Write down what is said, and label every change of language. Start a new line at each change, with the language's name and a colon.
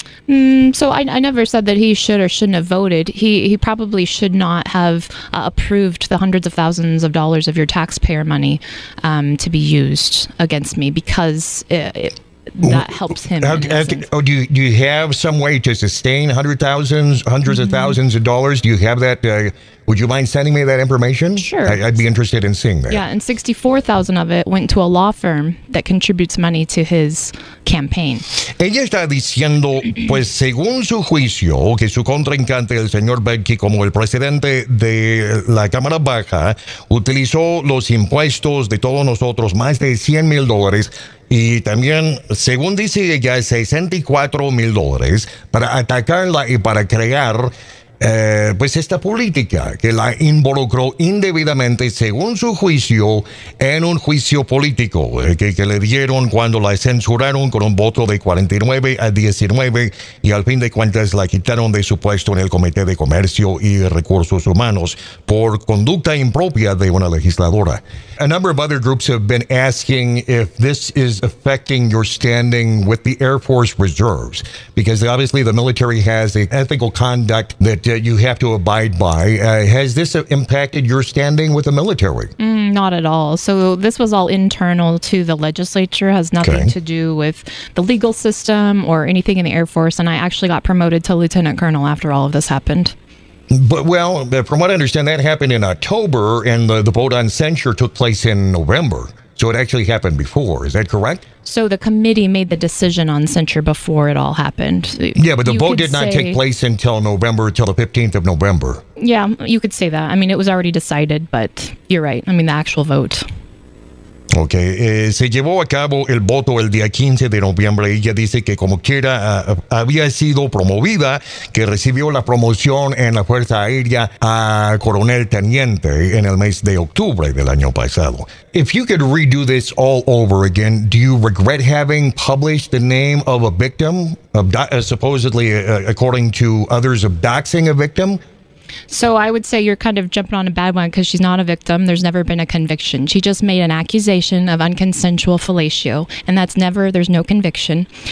English: So I never said that he should or shouldn't have voted. He probably should not have approved the hundreds of thousands of dollars of your taxpayer money to be used against me, because that helps him. Do you have some way to sustain hundreds of thousands of dollars? Do you have that? Would you mind sending me that information? Sure. I'd be interested in seeing that. Yeah, and $64,000 of it went to a law firm that contributes money to his campaign.
Spanish: Ella está diciendo, pues según su juicio, que su contrincante, el señor Becky, como el presidente de la Cámara Baja, utilizó los impuestos de todos nosotros, más de $100,000, y también, según dice ella, $64,000 para atacarla y para crear pues esta política que la involucró indebidamente, según su juicio, en un juicio político que le dieron cuando la censuraron con un voto de 49-19 y al fin de cuentas la quitaron de su puesto en el Comité de Comercio y Recursos Humanos por conducta impropia de una legisladora.
English: A number of other groups have been asking if this is affecting your standing with the Air Force Reserves, because obviously the military has an ethical conduct that you have to abide by. Has this impacted your standing with the military? Not at all. So this was all internal to the legislature, has nothing to do with the legal system or anything in the Air Force. And I actually got promoted to Lieutenant Colonel after all of this happened. But, well, from what I understand, that happened in October, and the vote on censure took place in November. So it actually happened before. Is that correct? So the committee made the decision on censure before it all happened. Yeah, but the vote did not take place until November, until the 15th of November. Yeah, you could say that. I mean, it was already decided, but you're right. I mean, the actual vote. Okay.
Spanish: Se llevó a cabo el voto el día 15 de noviembre. Ella dice que como quiera había sido promovida, que recibió la promoción en la Fuerza Aérea a coronel teniente en el mes de octubre del año pasado.
English: If you could redo this all over again, do you regret having published the name of a victim, according to others, of doxing a victim? So I would say you're kind of jumping on a bad one, because she's not a victim. There's never been a conviction. She just made an accusation of unconsensual fellatio, and that's never, there's no conviction.